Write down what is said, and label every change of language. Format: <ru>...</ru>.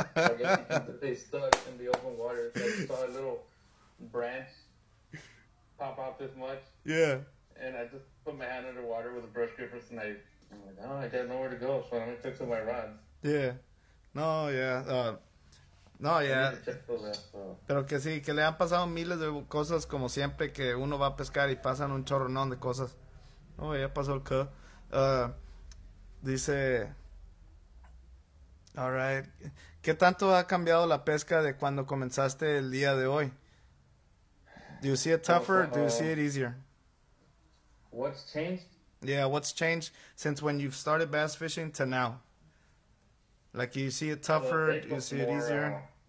<en>And I guess they stuck in the open water. So I saw a little branch pop out this much. Yeah. And I just put my hand under water with a brush grippers and I'm like, oh, I got nowhere to go. So I'm going to fix up my rods. Yeah. No, yeah. No, ya. Yeah.</en> <es>Pero que sí, que le han pasado miles de cosas como siempre que uno va a pescar y pasan un chorronón de cosas. Oh, ya pasó el que. Dice.</es> <en>All right.</en> <es>¿Qué tanto ha cambiado la pesca de cuando comenzaste el día de hoy?</es> <en>Do you see it tougher or do you see it easier? What's changed? Yeah, what's changed since when you've started bass fishing to now? Like, you see it tougher, so you see it easier?</en>